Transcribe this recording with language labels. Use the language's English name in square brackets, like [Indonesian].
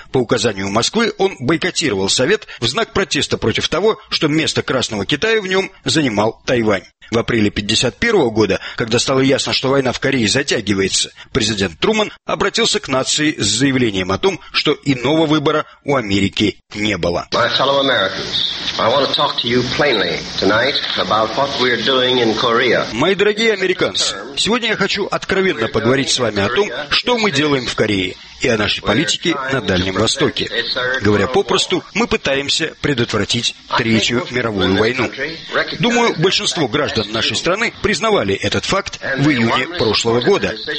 [Russian] По указанию Москвы он бойкотировал Совет в знак протеста против того, что место Красного Китая в нем занимал Тайвань. В апреле 51-го года, когда стало ясно, что война в Корее затягивается, президент Трумэн обратился к нации с заявлением о том, что иного выбора у Америки не было. [English] My fellow Americans, I want to talk to you plainly tonight about what we're doing in Korea. [Russian] Мои дорогие американцы, сегодня я хочу откровенно поговорить с вами о том, что мы делаем в Корее и о нашей политике на Дальнем Востоке. Говоря попросту, мы пытаемся предотвратить Третью мировую войну. Думаю, большинство граждан нашей страны признавали этот факт в июне прошлого года.